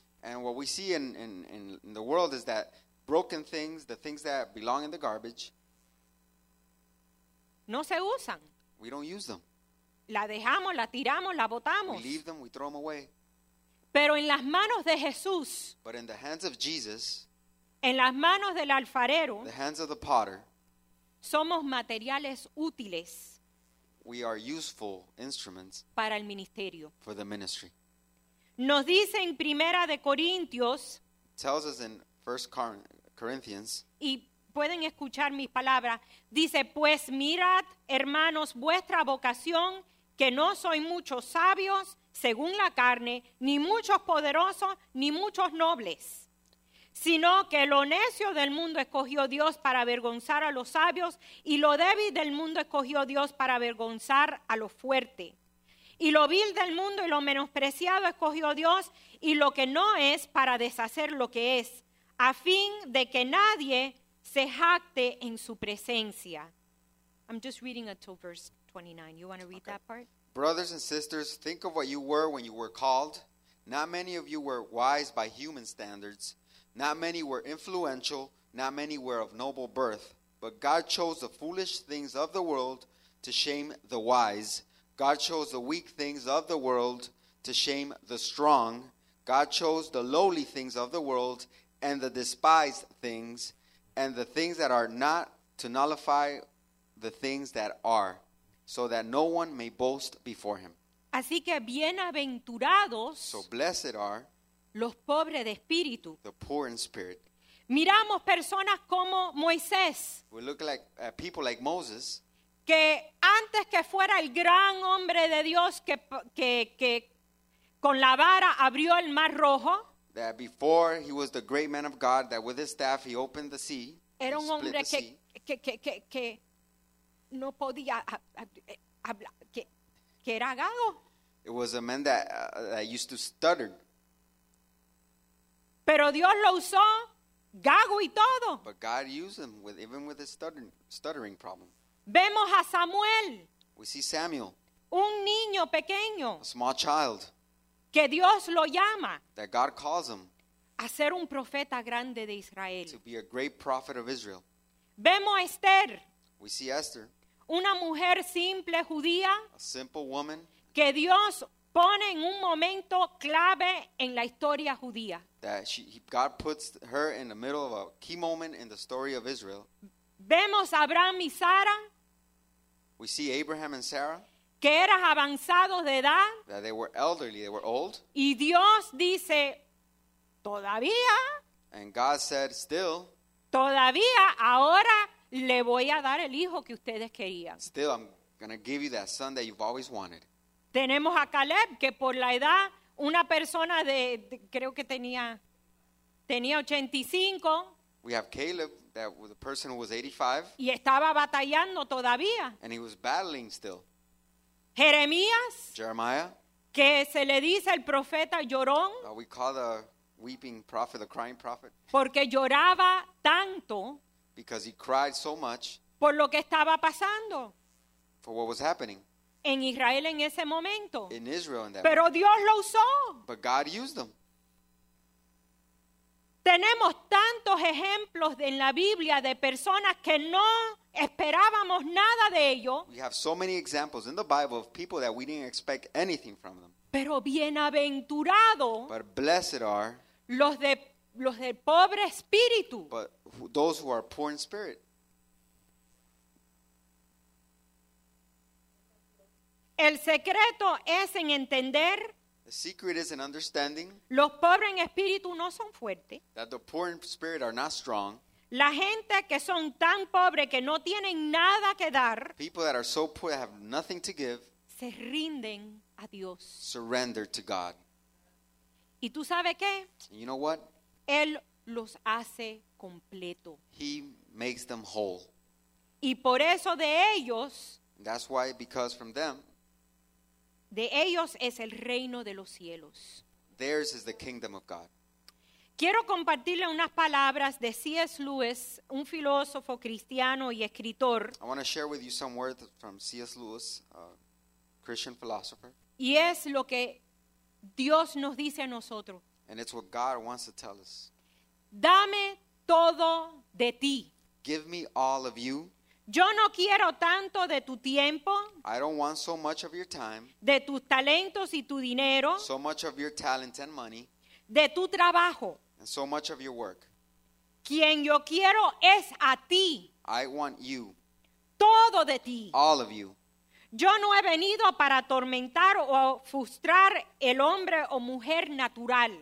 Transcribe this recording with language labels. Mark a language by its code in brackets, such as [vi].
[en] and what we see in the world is that broken things, the things that belong in the garbage, [es] no se usan. [en] We don't use them. [es] La dejamos, la tiramos, la botamos. [en] We leave them, we throw them away. [es] Pero en las manos de Jesús, [en] but in the hands of Jesus, [es] en las manos del alfarero, [en] the hands of the potter, [es] somos materiales útiles. [en] We are useful instruments [es] para el ministerio. [en] For the ministry. [es] Nos dice en Primera de Corintios, [en] tells us in 1 Corinthians, [es] y pueden escuchar mis palabras, dice, pues mirad, hermanos, vuestra vocación, que no soy muchos sabios según la carne, ni muchos poderosos, ni muchos nobles, sino que lo necio del mundo escogió Dios para avergonzar a los sabios, y lo débil del mundo escogió Dios para avergonzar a los fuertes. Y lo vil del mundo y lo menospreciado escogió Dios, y lo que no es para deshacer lo que es, a fin de que nadie se jacte en su presencia. [en] I'm just reading until verse 29. You want to read okay. That part? Brothers and sisters, think of what you were when you were called. Not many of you were wise by human standards. Not many were influential. Not many were of noble birth. But God chose the foolish things of the world to shame the wise. God chose the weak things of the world to shame the strong. God chose the lowly things of the world and the despised things and the things that are not to nullify the things that are, so that no one may boast before him. [es] Así que bienaventurados, [en] so blessed are, [es] los pobres de espíritu, [en] the poor in spirit. [es] Miramos personas como Moisés, [en] we look like people like Moses, [es] que antes que fuera el gran hombre de Dios que con la vara abrió el mar rojo, [en] that before he was the great man of God, that with his staff he opened the sea, [es] era un hombre [en] split the sea. [es] Que no podía hablar, que era gago. [en] It was a man that used to stutter. [es] Pero Dios lo usó, gago y todo. [en] But God used him with his stuttering problem. [es] Vemos a Samuel. [en] We see Samuel. [es] Un niño pequeño. [en] A small child. [es] Que Dios lo llama. [en] That God calls him. [es] A ser un profeta grande de Israel. [en] To be a great prophet of Israel. [es] Vemos a Esther. [en] We see Esther. [es] Una mujer simple judía. [en] A simple woman. [es] Que Dios pone en un momento clave en la historia judía. [en] That God puts her in the middle of a key moment in the story of Israel. [es] Vemos a Abraham y Sara. [en] We see Abraham and Sarah. [es] Que eras avanzados de edad. [en] That they were elderly, they were old. [es] Y Dios dice, todavía. [en] And God said, still. [es] Todavía ahora le voy a dar el hijo que ustedes querían. [en] Still, I'm going to give you that son that you've always wanted. [es] Tenemos a Caleb, que por la edad, una persona de creo que tenía 85. [en] We have Caleb, that was a person who was 85. [es] Y estaba batallando todavía. [en] And he was battling still. [es] Jeremías. [en] Jeremiah. [es] Que se le dice el profeta llorón. [en] We call the weeping prophet, the crying prophet. [es] Porque lloraba tanto. [en] Because he cried so much. [es] Por lo que estaba pasando. [en] For what was happening. [es] En Israel en ese momento. [en] In Israel in that [es] Pero [en] moment. [es] Dios lo usó. [en] But God used them. [es] Tenemos tantos ejemplos en la Biblia de personas que no esperábamos nada de ellos. [en] We have so many examples in the Bible of people that we didn't expect anything from them. [es] Pero bienaventurado. [en] But blessed are. [es] Los de pobre espíritu. [en] But those who are poor in spirit. [es] El secreto es en entender. [en] The secret is in understanding. [es] Los pobres en espíritu no son fuertes. [en] That the poor in spirit are not strong. [es] La gente que son tan pobres que no tienen nada que dar. [en] People that are so poor that have nothing to give. [es] Se rinden a Dios. [en] Surrender to God. [es] ¿Y tú sabes qué? [en] You know what? [es] Él los hace completo. [en] He makes them whole. [es] Y por eso de ellos. [en] That's why, because from them. [es] De ellos es el reino de los cielos. [en] Theirs is the kingdom of God. [es] Quiero compartirle unas palabras de C.S. Lewis, un filósofo cristiano y escritor. [en] I want to share with you some words from C.S. Lewis, a Christian philosopher. [es] Y es lo que Dios nos dice a nosotros. [en] And it's what God wants to tell us. [es] Dame todo de ti. [en] Give me all of you. [es] Yo no quiero tanto de tu tiempo. [en] I don't want so much of your time. [es] De tus talentos y tu dinero. [en] So much of your talent and money. [es] De tu trabajo. [en] And so much of your work. [es] Quien yo quiero es a ti. [en] I want you. [es] Todo de ti. [en] All of you. [es] Yo no he venido para atormentar o frustrar el hombre o mujer natural.